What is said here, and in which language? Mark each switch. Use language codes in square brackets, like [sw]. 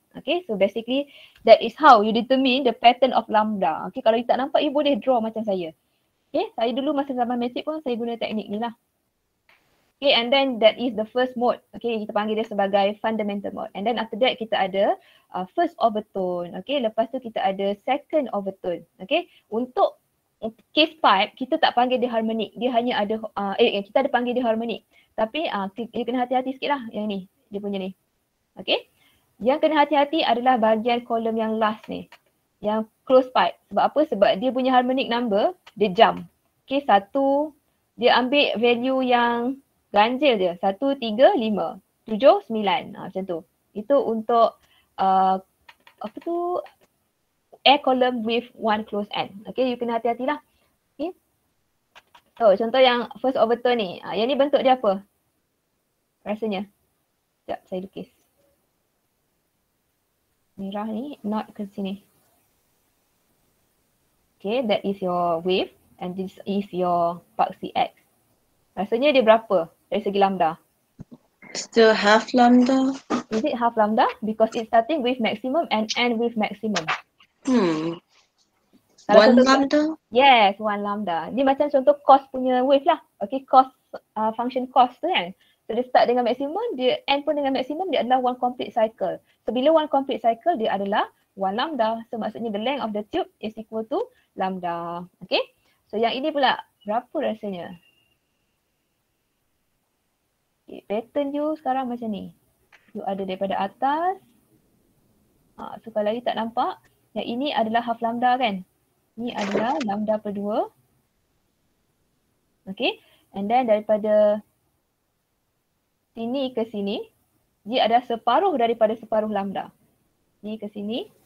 [en] Okay, so basically that is how you determine the pattern of lambda. [ms] Okay, kalau you tak nampak you boleh draw macam saya. Okay, saya dulu masa zaman matik pun saya guna teknik ni lah. [en] Okay, and then that is the first mode. [ms] Okay, kita panggil dia sebagai fundamental mode. [en] And then after that [ms] kita ada [en] first overtone. [ms] Okay, lepas tu kita ada second overtone. Okay, untuk case pipe kita tak panggil dia harmonic. Dia hanya ada, kita ada panggil dia harmonic. Tapi dia kena hati-hati sikit lah yang ni, dia punya ni. Okay, yang kena hati-hati adalah bahagian kolom yang last ni. Yang close pipe. Sebab apa? Sebab dia punya harmonic number, dia jump. Okay, satu, dia ambil value yang ganjil dia. 1, 3, 5, 7, 9. Macam tu. Itu untuk apa tu, [en] air column with one close end. [ms] Okay, you kena hati-hatilah. Okay. So, contoh yang first overtone ni. Yang ni bentuk dia apa? Rasanya. Sekejap, saya lukis. Merah ni, not ke sini. [en] Okay, that is your wave and this is your paksi X. [ms] Rasanya dia berapa dari segi lambda? [en] Still half lambda. Is it half lambda? Because it's starting with maximum and end with maximum. [ms] Kalau one contoh, lambda? [en] Yes, one lambda. [ms] Dia macam contoh cos punya wave lah. Okay, cos, function cos tu kan. So dia start dengan maximum, dia end pun dengan maximum, dia adalah one complete cycle. So bila one complete cycle, dia adalah one lambda. So maksudnya [en] the length of the tube is equal to lambda. Okay. [ms] So yang ini pula berapa rasanya? Okay, pattern you sekarang macam ni. you ada daripada atas. So kalau you tak nampak, yang ini adalah half lambda kan? Ini adalah lambda per 2. Okay, and then daripada sini ke sini, dia ada separuh daripada separuh lambda. Ni ke sini.